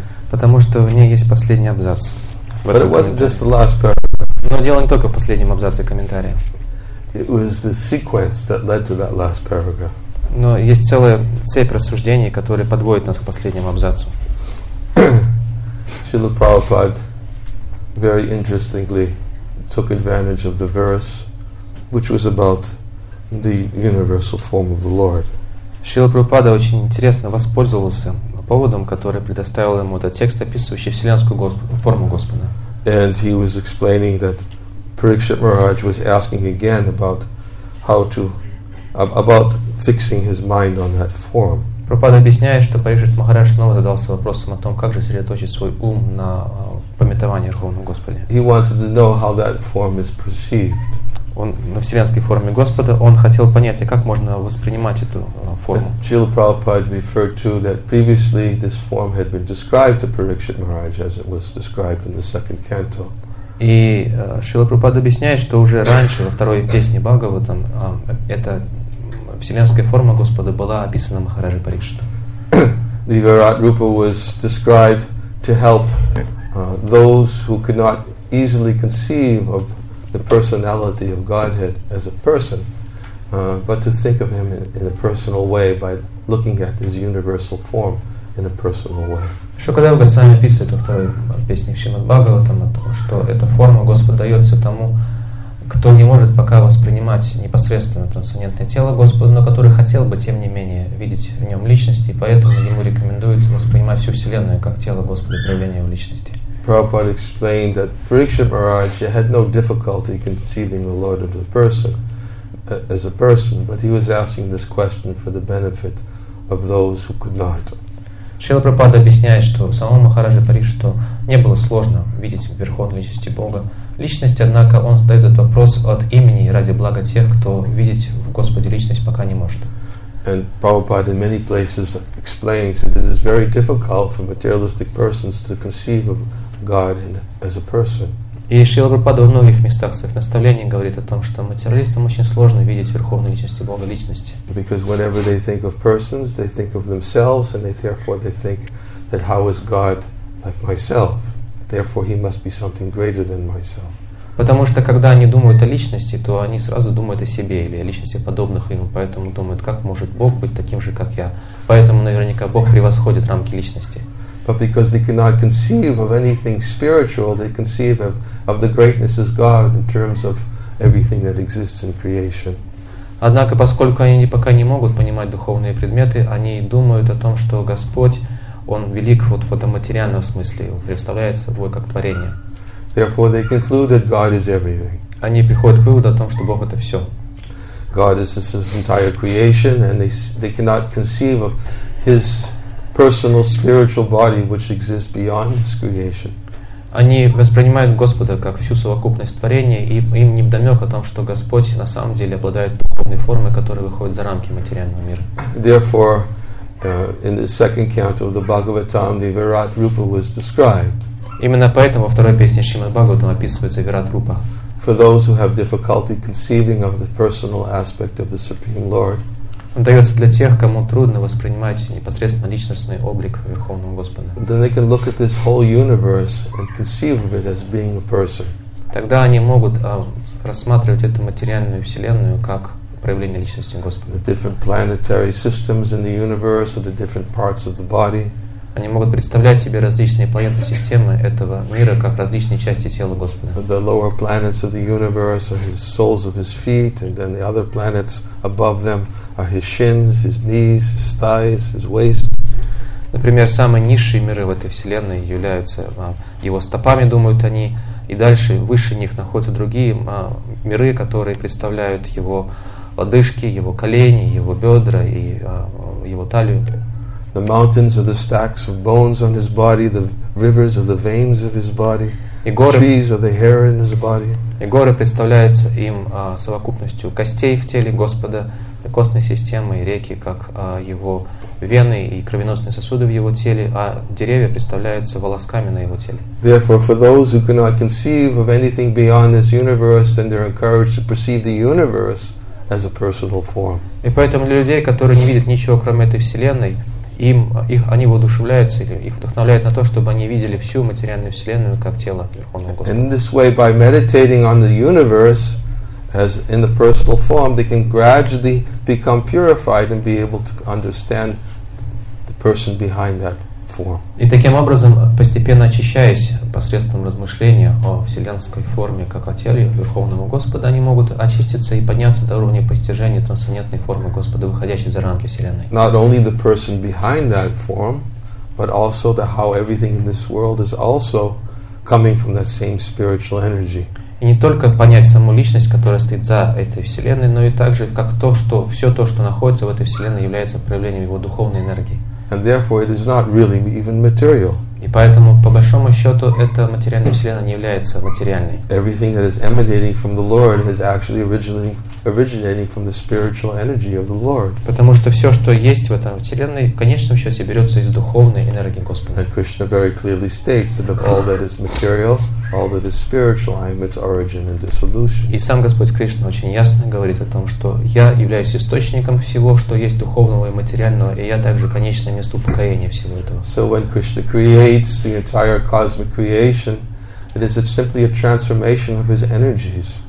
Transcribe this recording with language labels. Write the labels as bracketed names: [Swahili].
[Russian] Потому что в ней есть последний абзац. [English] But it wasn't just the last paragraph. [Russian] Но дело не только в последнем абзаце комментария. [English] It was the sequence that led to that last paragraph. [Russian] Но есть целая цепь рассуждений, которые подводят нас к последнему абзацу. [English] Srila Prabhupada very interestingly took advantage of the verse which was about the universal form of the Lord. [Russian] Srila Prabhupada очень интересно воспользовался поводом, который предоставил ему этот текст, описывающий вселенскую форму Господа. [English] And he was explaining that Parikshit Maharaj was asking again about how to about fixing his mind on that form. [Russian] Прабхупада объясняет, что Парикшит Махарадж снова задался вопросом о том, как же сосредоточить свой ум на памятовании Верховного Господа. [English] He wanted to know how that form is perceived. [Russian] он в вселенской форме Господа, он хотел понять, а как можно воспринимать эту форму. [English] Srila Prabhupada referred to that previously this form had been described to Parikshit Maharaj as it was described in the second canto. [Russian] И Шрила Прабхупада объясняет, что уже раньше, во второй песне Бхагаватам, эта вселенская форма Господа была описана Махараджи Парикшита. [English] The Virat Rupa was described to help those who could not easily conceive of the personality of Godhead as a person, but to think of him in a personal way by looking at his universal form in a personal way. [Russian] Шукадева Госвами описывает во второй песне Шримад Бхагаватам о том, что эта форма Господа дается тому, кто не может пока воспринимать непосредственно трансцендентное тело Господа, но который хотел бы, тем не менее, видеть в нем личность, и поэтому ему рекомендуется воспринимать всю Вселенную как тело Господа, проявление в личности. [English] Prabhupada explained that Parikshit Maharaj had no difficulty conceiving the Lord of the person as a person, but he was asking this question for the benefit of those who could not. [Russian] Шрила Прабхупада объясняет, что самому Махараджи Парикшиту не было сложно видеть верховную личность Бога. Личность, однако, он задает этот вопрос от имени ради блага тех, кто видеть в Господе личность пока не может. [English] And Prabhupada in many places explains that it is very difficult for materialistic persons to conceive of God as a person. [Russian] И Шрила Прабхупада во многих местах своих наставлений говорит о том, что материалистам очень сложно видеть верховную личность Бога, личности. [English] Because whenever they think of persons, they think of themselves, and they therefore they think that how is God like myself? Therefore he must be something greater than myself. [Russian] Потому что когда они думают о личности, то они сразу думают о себе или о личности подобных им, поэтому думают, как может Бог быть таким же, как я. Поэтому наверняка Бог превосходит рамки личности. [English] But because they cannot conceive of anything spiritual, they conceive of the greatness of God in terms of everything that exists in creation. [Russian] Однако, поскольку они пока не могут понимать духовные предметы, они думают о том, что Господь, Он велик вот в этом материальном смысле, Он представляет собой как творение. [English] Therefore, they conclude that God is everything. [Russian] Они приходят к выводу о том, что Бог — это все. [English] God is this entire creation, and they cannot conceive of His personal spiritual body which exists beyond this creation. [Russian] Они воспринимают Господа как всю совокупность творения, и им не вдомек о том, что Господь на самом деле обладает духовной формой, которая выходит за рамки материального мира. [English] Therefore, in the second canto of the Bhagavatam, the Virat Rupa was described. [Russian] Именно поэтому во второй песне Шримад Бхагаватам описывается Вират Рупа. [English] For those who have difficulty conceiving of the personal aspect of the Supreme Lord. [Russian] Он дается для тех, кому трудно воспринимать непосредственно личностный облик Верховного Господа. [English] Then they can look at this whole universe and conceive of it as being a person. [Russian] Тогда они могут рассматривать эту материальную вселенную как проявление личности Господа. [English] The different planetary systems in the universe or the different parts of the body. [Russian] Они могут представлять себе различные планетные системы этого мира как различные части тела Господа. [English] The lower planets of the universe are his soles of his feet, and then the other planets above them are his shins, his knees, his thighs, his waist. [Russian] Например, самые низшие миры в этой вселенной являются его стопами, думают они, и дальше выше них находятся другие миры, которые представляют его лодыжки, его колени, его бедра и его талию. [English] The mountains are the stacks of bones on his body, the rivers are the veins of his body, trees are the hair in his body. [Russian] И горы представляются им совокупностью костей в теле Господа, костной системы и реки, как его вены и кровеносные сосуды в его теле, а деревья представляются волосками на его теле. [English] Therefore, for those who cannot conceive of anything beyond this universe, then they're encouraged to perceive the universe as a personal form. [Russian] И поэтому для людей, которые не видят ничего, кроме этой вселенной, они воодушевляются, их вдохновляют на то, чтобы они видели всю материальную вселенную как тело Верховного Господа. [English] And in this way, by meditating on the universe as in the personal form, they can gradually become purified and be able to understand the person behind that form. [Russian] И таким образом, постепенно очищаясь посредством размышления о вселенской форме как о теле Верховного Господа, они могут очиститься и подняться до уровня постижения трансцендентной формы Господа, выходящей за рамки Вселенной. [English] Not only the person behind that form, but also the how everything in this world is also coming from that same spiritual energy. [Russian] И не только понять саму личность, которая стоит за этой Вселенной, но и также как то, что все то, что находится в этой Вселенной, является проявлением его духовной энергии. [English] And therefore it is not really even material. [Russian] И поэтому, по большому счету, эта материальная вселенная не является материальной. [English] Everything that is emanating from the Lord is actually originating from the spiritual energy of the Lord. [Russian] Потому что все, что есть в этом вселенной, в конечном счете, берется из духовной энергии Господа. [English] And Krishna very clearly states that of all that is material, all that is spiritual, I am its origin and dissolution. [Russian] И сам Господь Кришна очень ясно говорит о том, что я являюсь источником всего, что есть духовного и материального, и я также конечное место упокоения всего этого. [English] So when Krishna creates the entire cosmic creation, it is simply a transformation of his energies.